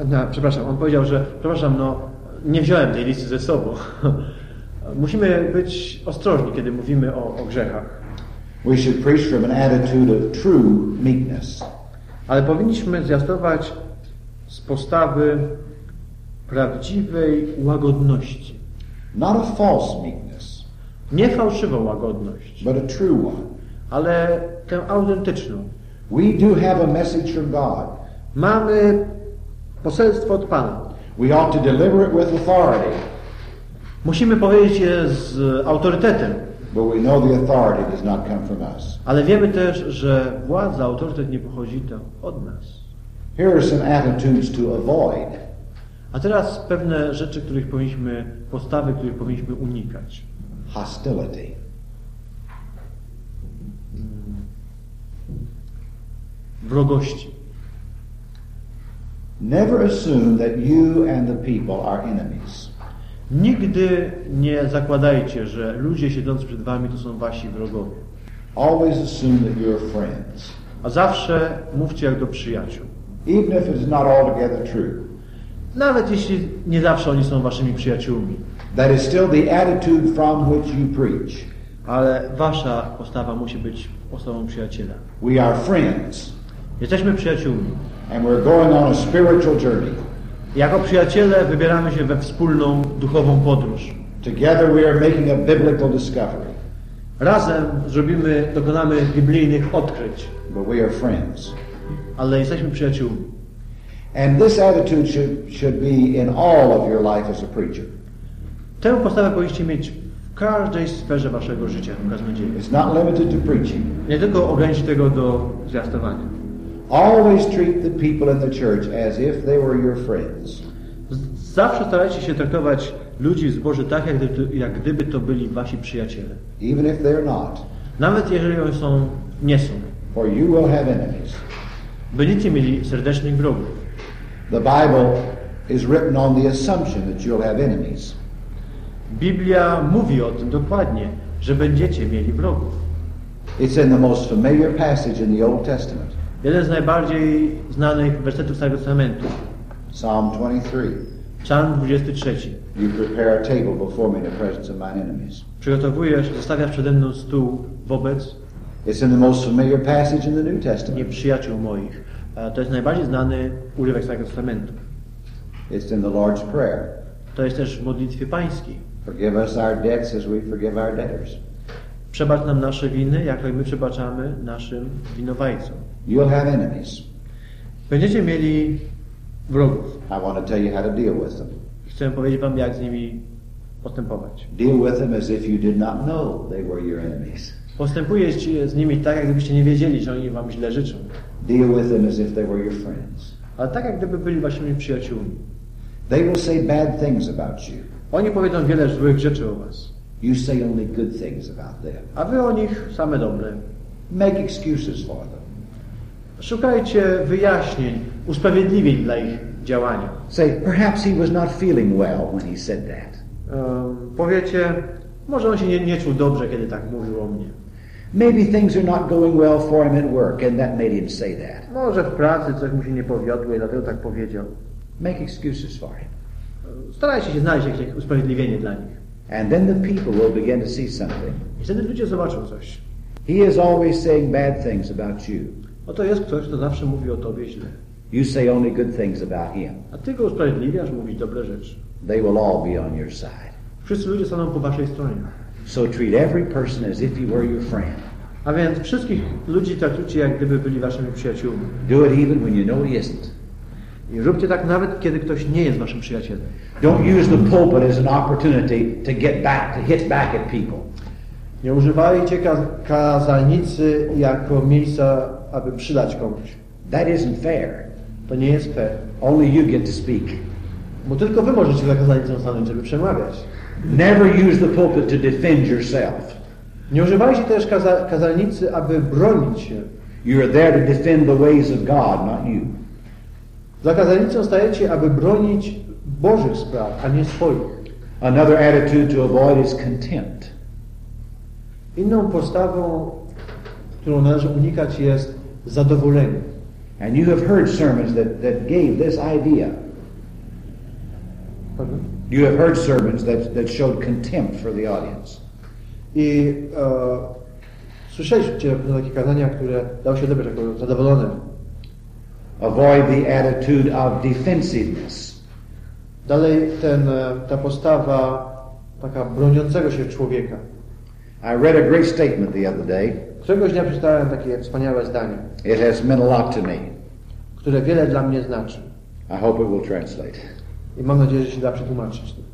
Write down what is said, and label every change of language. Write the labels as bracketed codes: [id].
[pl] Przepraszam, on powiedział, że przepraszam, no nie wziąłem tej listy ze sobą. Musimy być ostrożni, kiedy mówimy o grzechach. [en] We should preach from an attitude of true meekness. [pl] Ale powinniśmy zwiastować z postawy prawdziwej łagodności. [en] Not a false meekness. [pl] Nie fałszywą łagodność. [en] But a true one. [pl] Ale tę autentyczną. [en] We do have a message from God. [pl] Mamy poselstwo od Pana. [en] We ought to deliver it with authority. [pl] Musimy powiedzieć je z autorytetem. [en] But we know the authority does not come from us. [pl] Ale wiemy też, że władza, autorytet nie pochodzi tam od nas. [en] Here are some attitudes to avoid. [pl] A teraz pewne rzeczy, których powinniśmy, postawy, których powinniśmy unikać. [en] Hostility. [pl] Wrogości. [en] Never assume that you and the people are enemies. [pl] Nigdy nie zakładajcie, że ludzie siedzący przed wami to są wasi wrogowie. [en] Always assume that you are friends. [pl] A zawsze mówcie jak do przyjaciół. [en] Even if it's not altogether true. [pl] Nawet jeśli nie zawsze oni są waszymi przyjaciółmi. [en] That is still the attitude from which you preach. [pl] Ale wasza postawa musi być postawą przyjaciela. [en] We are friends. [pl] Jesteśmy przyjaciółmi. [en] And we're going on a spiritual journey. [pl] Jako przyjaciele wybieramy się we wspólną duchową podróż. [en] Together we are making a biblical discovery. [pl] Razem zrobimy, dokonamy biblijnych odkryć. [en] But we are friends. [pl] Ale jesteśmy przyjaciółmi. [en] And this attitude should be in all of your life as a preacher. [pl] Tę postawę powinniście mieć w każdej sferze waszego życia, jako kaznodzieja. [en] It's not limited to preaching. [pl] Nie tylko ograniczyć tego do zwiastowania. [en] Always treat the people in the church as if they were your friends. [pl] Zawsze starajcie się traktować ludzi z Boży tak, jak gdyby to byli wasi przyjaciele. [en] Even if they're not. [pl] Nawet jeżeli oni są, nie są. [en] For you will have enemies. [pl] Będziecie mieli serdecznych wrogów. [en] The Bible is written on the assumption that you'll have enemies. [pl] Biblia mówi o tym dokładnie, że będziecie mieli wrogów. [en] It's in the most familiar passage in the Old Testament. [pl] Jeden z najbardziej znanych wersetów Starego Testamentu. [en] Psalm 23. [pl] Psalm 23. [en] You prepare a table before me in the presence of my enemies. [pl] Przygotowujesz, zostawiasz przede mną stół wobec. [en] It's in the most familiar passage in the New Testament. [pl] Nieprzyjaciół moich. To jest najbardziej znany urywek Starego Testamentu. [en] It's in the Lord's Prayer. [pl] To jest też w modlitwie pańskiej. [en] Forgive us our debts as we forgive our debtors. [pl] Przebacz nam nasze winy, jak my przebaczamy naszym winowajcom. [en] You'll have enemies. [pl] Będziecie mieli wrogów. [en] I want to tell you how to deal with them. [pl] Chcę powiedzieć wam, jak z nimi postępować. [en] Deal with them as if you did not know they were your enemies. [pl] Postępujecie z nimi tak, jak gdybyście nie wiedzieli, że oni wam źle życzą. [en] Deal with them as if they were your friends. [pl] Ale tak, jak gdyby byli waszymi przyjaciółmi. [en] They will say bad things about you. [pl] Oni powiedzą wiele złych rzeczy o was. [en] You say only good things about them. [pl] A wy o nich same dobre. [en] Make excuses for them. [pl] Szukajcie wyjaśnień, usprawiedliwień dla ich działania. [en] Say, perhaps he was not feeling well when he said that. [pl] Powiecie, może on się nie czuł dobrze, kiedy tak mówił o mnie. [en] Maybe things are not going well for him at work, and that made him say that. [pl] Może w pracy coś mu się nie powiodło i dlatego tak powiedział. [en] Make excuses for him. [pl] Starajcie się znaleźć jakieś usprawiedliwienie dla nich. [en] And then the people will begin to see something. [pl] I wtedy ludzie zobaczą coś. [en] He is always saying bad things about you. [pl] Oto jest ktoś, kto zawsze mówi o tobie źle. [en] You say only good things about him. [pl] A ty go usprawiedliwiasz, mówisz dobre rzeczy. [en] They will all be on your side. [pl] Wszyscy ludzie staną po waszej stronie. [en] So treat every person as if he were your friend. [pl] A więc wszystkich ludzi traktujcie, jak gdyby byli waszymi przyjaciółmi. [en] Do it even when you know he isn't. [pl] I róbcie tak nawet, kiedy ktoś nie jest waszym przyjacielem. [en] Don't use the pulpit as an opportunity to get back, to hit back at people. [pl] Nie używajcie kazalnicy jako miejsca, aby przydać komuś. [en] That isn't fair. [pl] To nie jest fair. [en] Only you get to speak. [pl] Bo tylko wy możecie za kazalnicą stanąć, żeby przemawiać. [en] Never use the pulpit to defend yourself. [pl] Nie używajcie też kazalnicy, aby bronić się. [en] You are there to defend the ways of God, not you. [pl] Za kazalnicą stajecie, aby bronić Bożych spraw, a nie swoich. [en] Another attitude to avoid is contempt. [pl] Inną postawą, którą należy unikać, jest zadowolenie. [en] And you have heard sermons that gave this idea. Pardon? You have heard sermons that showed contempt for the audience. [pl] I słyszeliście pewne takie kazania, które dały się odebrać jako zadowolone. [en] Avoid the attitude of defensiveness. [pl] Dalej ta postawa taka broniącego się człowieka. [en] I read a great statement the other day. [pl] Któregoś dnia przeczytałem takie wspaniałe zdanie. [en] It has meant a lot to me. [pl] Które wiele dla mnie znaczy. [en] I hope it will translate. [pl] I mam nadzieję, że się da przetłumaczyć.